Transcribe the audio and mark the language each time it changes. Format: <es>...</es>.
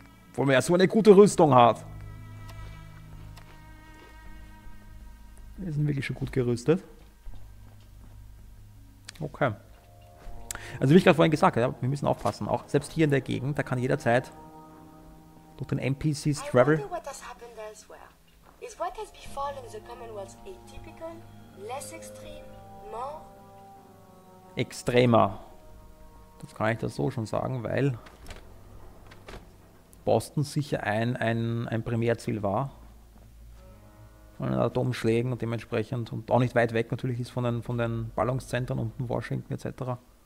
<de>Obwohl man ja so eine gute Rüstung hat. Wir sind wirklich schon gut gerüstet. Okay. Also wie ich gerade vorhin gesagt habe, ja, wir müssen aufpassen. Auch selbst hier in der Gegend, da kann jederzeit durch den NPCs travel.</de> <en>I wonder what has happened elsewhere. Is what has befallen the Commonwealth atypical, less extreme, more?</en> <de>Extremer. Das kann ich da so schon sagen, weil Boston sicher ein Primärziel war. Von den Atomschlägen und dementsprechend und auch nicht weit weg natürlich ist von den Ballungszentren unten Washington etc.</de>